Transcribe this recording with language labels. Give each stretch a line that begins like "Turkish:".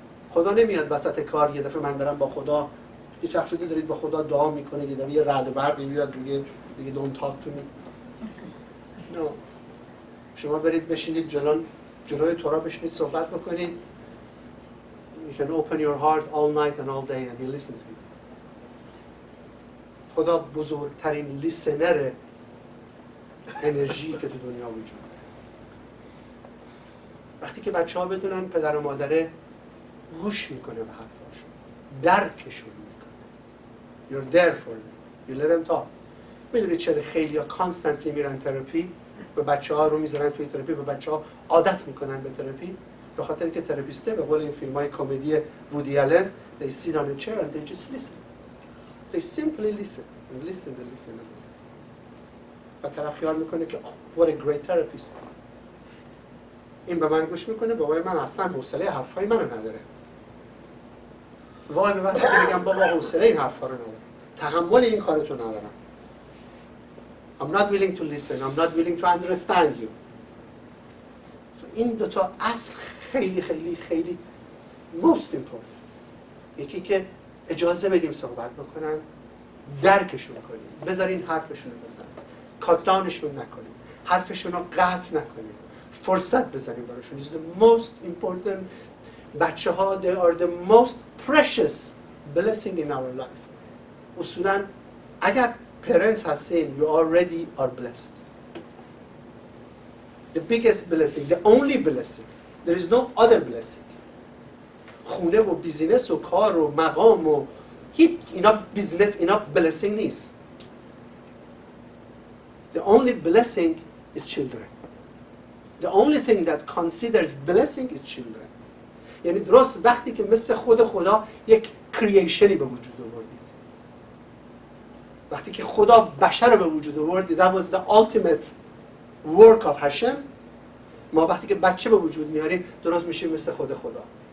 Persian: خدا نمیاد وسط کار یه دفعه من دارم با خدا یه چخ شدی دارید با خدا دعا میکنه یه دفعه یه رعد برق میاد دیگه
English: don't talk to me. No.
Persian: شما برید بشینید جلوی تورا بشینید صحبت بکنید.
English: You can open your heart all night and all day and he'll listen to you.
Persian: خدا بزرگترین لیسنره انرژی که تو دنیا وجود داره. وقتی که بچه ها بدونن پدر و مادره گوش میکنه به حرفاشون، درکشون میکنه،
English: you're there for them, you let them talk.
Persian: میدونی چرا خیلی ها کانستنتلی میرن تراپی و بچه ها رو میذارن توی تراپی و بچه ها عادت میکنن به تراپی؟ به خاطر که تراپیسته به قول این فیلم های کمدی وودی آلن
English: they sit on a chair and they just listen. They simply listen. They listen.
Persian: و طرف خیال میکنه که
English: oh, what a great therapist.
Persian: این به من گوش میکنه، بابای من اصلا حوصله حرفای منو نداره. وای به وقتی که میگم بابا حوصله این حرفا رو ندارم، تحمل این کارتو ندارم.
English: I'm not willing to listen, I'm not willing to understand you.
Persian: So این دوتا اصل خیلی خیلی خیلی
English: most important.
Persian: یکی که اجازه بدیم صحبت بکنن، درکشون کنیم، بذارین حرفشون رو بزنن، کاتدانشون نکنیم، حرفشون رو قطع نکنیم، فرصت بزنیم براشون.
English: It's the most important.
Persian: بچه ها
English: they are the most precious blessing in our life.
Persian: اصولا اگر parents هستین
English: you already are blessed. The biggest blessing, the only blessing. There is no other blessing.
Persian: خونه و بیزینس و کار و مقام و هیچ اینا بیزینس اینا blessing نیست.
English: The only blessing is children. The only thing that considers blessing is children.
Persian: یعنی درست وقتی که مثل خود خدا یک creationی به وجود آوردید. وقتی که خدا بشر رو به وجود آوردید.
English: That was the ultimate work of Hashem.
Persian: ما وقتی که بچه به وجود میاریم درست میشیم مثل خود خدا.